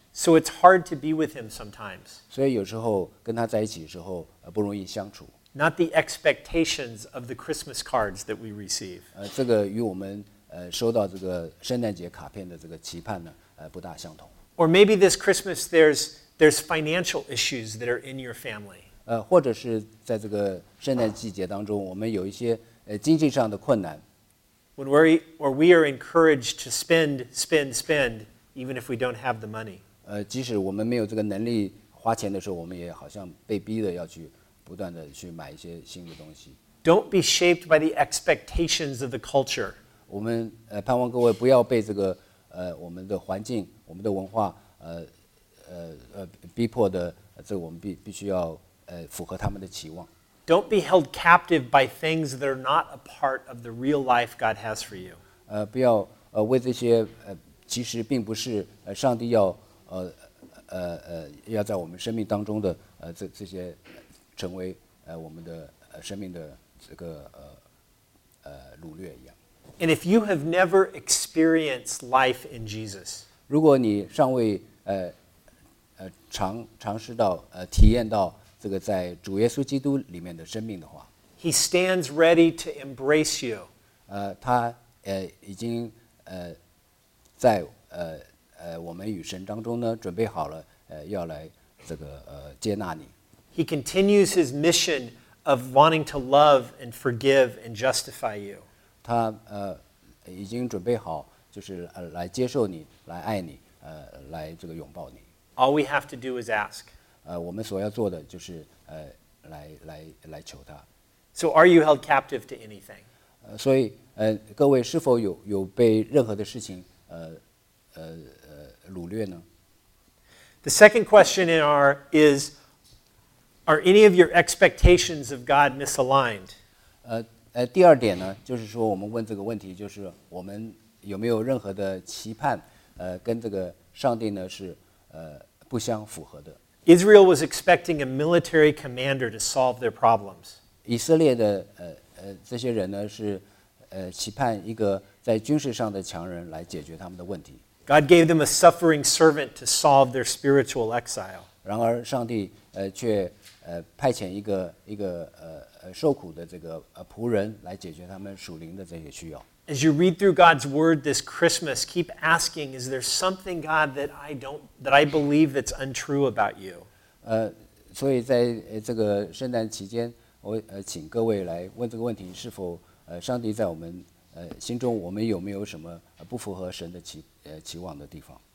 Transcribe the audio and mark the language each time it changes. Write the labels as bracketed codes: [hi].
[en] So it's hard to be with him sometimes. [zh] 所以有时候跟他在一起的时候不容易相处。 [en] Not the expectations of the Christmas cards that we receive. [zh] 这个与我们收到这个圣诞节卡片的这个期盼呢不大相同。 [en] Or maybe this Christmas there's financial issues that are in your family. [zh] 或者是在这个圣诞季节当中我们有一些经济上的困难。 [en] When we are encouraged to spend, even if we don't have the money. [zh] 即使我们没有这个能力花钱的时候，我们也好像被逼的要去不断的去买一些新的东西。 [en] Don't be shaped by the expectations of the culture. [zh] 我们盼望各位不要被这个我们的环境、我们的文化逼迫的，这个我们必须要符合他们的期望。 [en] Don't be held captive by things that are not a part of the real life God has for you. [zh] 不要为这些其实并不是上帝要要在我们生命当中的这些成为我们的生命的这个掳掠一样。 [en] And if you have never experienced life in Jesus, [zh] 如果你尚未尝试到体验到这个在主耶稣基督里面的生命的话， [en] He stands ready to embrace you. [zh] 他已经在我们与神当中呢准备好了要来这个接纳你。 [en] He continues his mission of wanting to love and forgive and justify you. [zh] 他已经准备好就是来接受你，来爱你，来这个拥抱你。 [en] All we have to do is ask. [zh] 我们所要做的就是来求他。 [en] So are you held captive to anything? [zh] 所以各位是否有被任何的事情掳掠呢？ [en] The second question in our is. Are any of your expectations of God misaligned? [zh] 第二点呢，就是说我们问这个问题，就是我们有没有任何的期盼，跟这个上帝呢是不相符合的。 [en] Israel was expecting a military commander to solve their problems. [zh] 以色列的这些人呢是期盼一个在军事上的强人来解决他们的问题。 [en] God gave them a suffering servant to solve their spiritual exile. [zh] 然而上帝却派遣一个受苦的这个仆人来解决他们属灵的这些需要。 [en] As you read through God's word this Christmas, keep asking, is there something God that I believe that's untrue about you? [zh] 所以在这个圣诞期间，我请各位来问这个问题：是否上帝在我们心中，我们有没有什么不符合神的期望的地方